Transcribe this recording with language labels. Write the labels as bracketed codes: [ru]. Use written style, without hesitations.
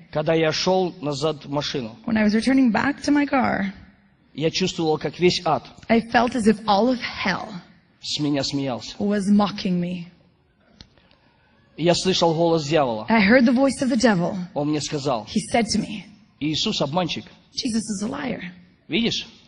[ru] Когда я шел назад в машину. [en] When I was returning back to my car. [ru] Я чувствовал, как весь ад. [en] I felt as if all of hell. was mocking me. [ru] Я слышал голос дьявола. [en] I heard the voice of the devil. [ru] Он мне сказал. [en] He said to me. [ru] Иисус обманщик. [en] Jesus is a liar. [ru] Видишь?